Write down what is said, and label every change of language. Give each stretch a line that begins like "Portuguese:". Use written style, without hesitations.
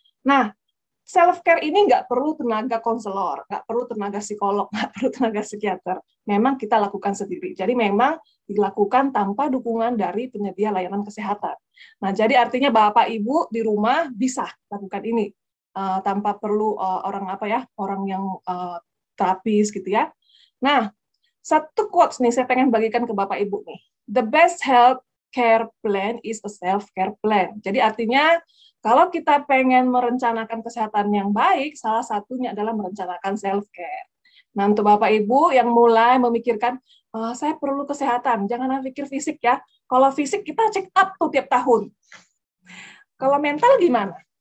Indonesian: Nah, self-care ini nggak perlu tenaga konselor, nggak perlu tenaga psikolog, nggak perlu tenaga psikiater, memang kita lakukan sendiri. Jadi memang dilakukan tanpa dukungan dari penyedia layanan kesehatan. Nah, jadi artinya Bapak Ibu di rumah bisa lakukan ini tanpa perlu orang yang terapis gitu ya. Nah, satu quotes nih saya pengen bagikan ke Bapak Ibu nih.
English: The best health care plan is a self-care plan.
Indonesian: Jadi artinya kalau kita pengen merencanakan kesehatan yang baik, salah satunya adalah merencanakan self-care. Nah, untuk Bapak Ibu yang mulai memikirkan saya perlu kesehatan, jangan pikir fisik ya. Kalau fisik kita check up tuh tiap tahun. Kalau mental gimana?